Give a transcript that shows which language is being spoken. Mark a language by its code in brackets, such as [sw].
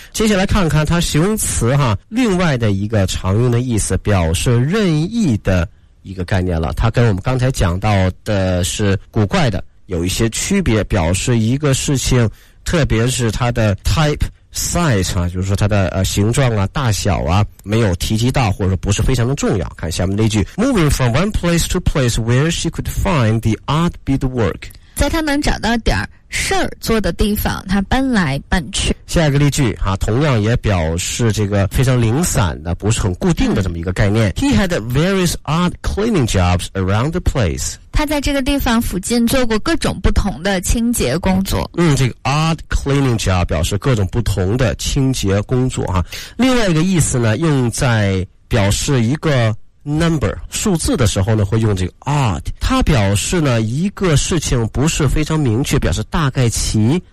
[zh] 接下来看看它形容词哈，另外的一个常用的意思，表示任意的一个概念了。它跟我们刚才讲到的是古怪的有一些区别，表示一个事情，特别是它的 [en] type size [zh] 啊，就是说它的形状啊、大小啊，没有提及到，或者说不是非常的重要。 [en] 看下面那句 ：Moving from one place to place where she could find the odd bit work， [zh] 在她能找到点事儿做的地方，她搬来搬去。下一个例句啊，同样也表示这个非常零散的，不是很固定的这么一个概念。 [en] He had various odd cleaning jobs around the place。 [zh] 他在这个地方附近做过各种不同的清洁工作。这个 [en] odd cleaning job [zh] 表示各种不同的清洁工作啊。另外一个意思呢，用在表示一个 number 数字的时候呢，会用这个 odd。它表示呢一个事情不是非常明确，表示大概其。